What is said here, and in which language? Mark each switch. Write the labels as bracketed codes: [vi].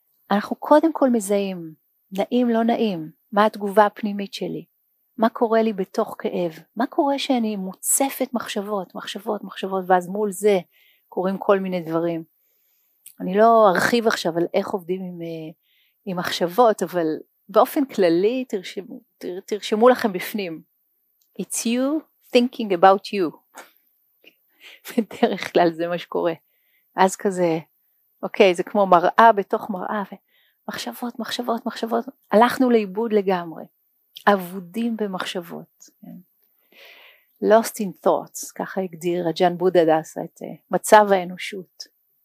[he] אנחנו קודם כל מזהים, נעים לא נעים, מה התגובה הפנימית שלי, מה קורה לי בתוך כאב, מה קורה שאני מוצפת מחשבות, מחשבות, מחשבות, ואז מול זה קורים כל מיני דברים. אני לא ארחיב עכשיו על איך עובדים עם מחשבות, אבל באופן כללי תרשמו לכם בפנים. [en] It's you thinking about you. [he] בדרך כלל זה מה שקורה. אז כזה, אוקיי, זה כמו מראה בתוך מראה, ומחשבות, מחשבות, מחשבות, הלכנו לאיבוד לגמרי. עבודים במחשבות. [en] Lost in thoughts, [he] ככה הגדיר רג'אן בודה דאסה את מצב האנושות.